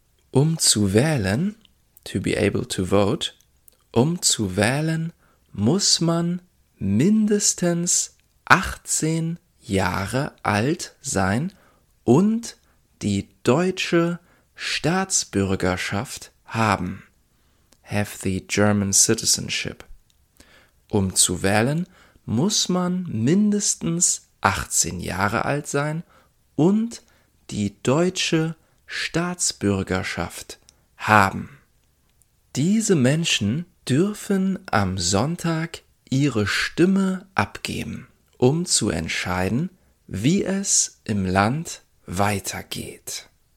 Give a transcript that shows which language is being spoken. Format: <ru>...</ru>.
<de>Um zu wählen,</de> <en>to be able to vote,</en> <de>um zu wählen, muss man mindestens 18 Jahre alt sein und die deutsche Staatsbürgerschaft haben.</de> <en>Have the German citizenship.</en> <de>Um zu wählen, muss man mindestens 18 Jahre alt sein und die deutsche Staatsbürgerschaft haben. Diese Menschen dürfen am Sonntag ihre Stimme abgeben, um zu entscheiden, wie es im Land weitergeht.</de>